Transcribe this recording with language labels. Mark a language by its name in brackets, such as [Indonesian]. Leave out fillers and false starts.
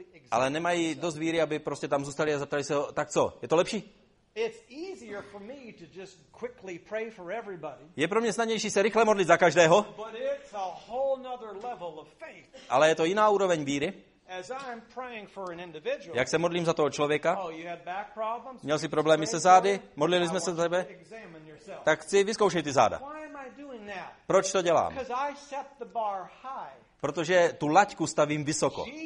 [Czech] Ale nemají dost víry, aby prostě tam zůstali a zeptali se ho, tak co, je to lepší? [English] It's easier for me to just quickly pray for everybody. [Czech] Je pro mě snadnější se rychle modlit za každého. [English] But it's a whole nother level of faith. [Czech] Ale je to jiná úroveň víry. [English] As I'm praying for an individual. [Czech] Jak se modlím za toho člověka? [English] Oh, you had back problems? [Czech] Měl jsi problémy se zády? Modlili jsme se za tebe? Tak chci vyzkoušet ty záda. [English] Why am I doing that? [Czech] Proč to dělám? [English] Because I set the bar high. [Czech] Protože tu laťku stavím vysoko.